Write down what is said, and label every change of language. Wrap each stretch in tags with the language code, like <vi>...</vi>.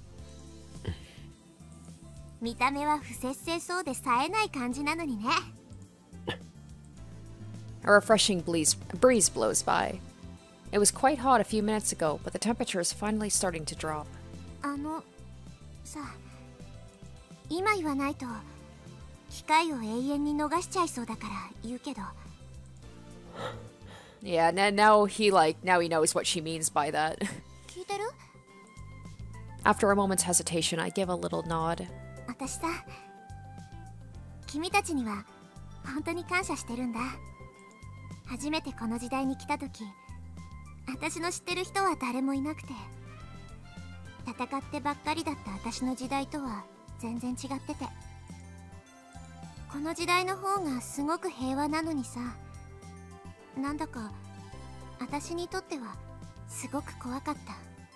<ja>うまくすると明日には直せるかもって。見た目は不節制そうで冴えない感じなのにね。</ja> <en>A refreshing breeze blows by. It was quite hot a few minutes ago, but the temperature is finally starting to drop.</en> <ja>さ、今言わないと機会を永遠に逃しちゃいそうだから言うけど。</ja> <en>Yeah, now he knows what she means by that.</en> <ja>聞いてる?</ja> <en>After a moment's hesitation, I give a little nod.</en> <ja>私さ、君たちには本当に感謝してるんだ。初めてこの時代に来た時、私の知ってる人は誰もいなくて、戦ってばっかりだった私の時代とは全然違ってて、この時代の方がすごく平和なのにさ、なんだか私にとってはすごく怖かった。</ja>